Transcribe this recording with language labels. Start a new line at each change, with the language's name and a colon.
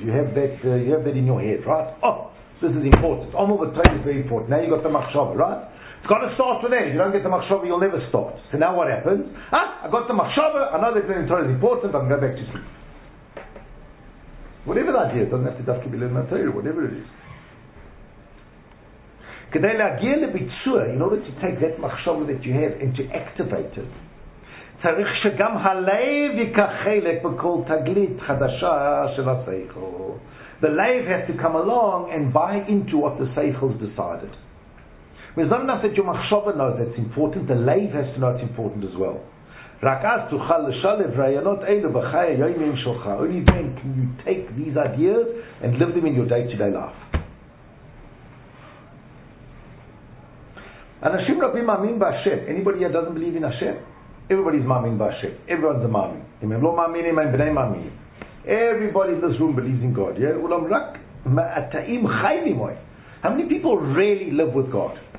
English: You have that in your head, right? Oh, this is important. Omo Betoy is very important. Now you got the מחשבה, right? It's got to start with that. If you don't get the מחשבה, you'll never start. So now what happens? I got the מחשבה, I know that the Torah is important, I'm going back to sleep. Whatever that is, doesn't have to be learned in the Torah, whatever it is.
Hebrew: כדי להגיע לביצוע,
English: in order to take that מחשבה that you have and to activate it,
Hebrew: צריך שגם הלב ייקח חלק בכל תגלית חדשה של השכל.
English: The lev has to come along and buy into what the seichel's decided. It's not enough that your מחשבה knows that's important, the lev has to know it's important as well.
Hebrew: רק אז תוכל לשלב רעיונות אלו בחיי היומיים שלך.
English: Only then can you take these ideas and live them in your day-to-day life.
Hebrew: אנשים רבים מאמינים בהשם.
English: Anybody here doesn't believe in Hashem? Everybody's מאמין בהשם. Everyone's a מאמין.
Hebrew: אם הם לא מאמינים, הם בני מאמינים.
English: Everybody in this room believes in God. Yeah?
Hebrew: אולם רק מעטאים חיים ממוי.
English: How many people really live with God?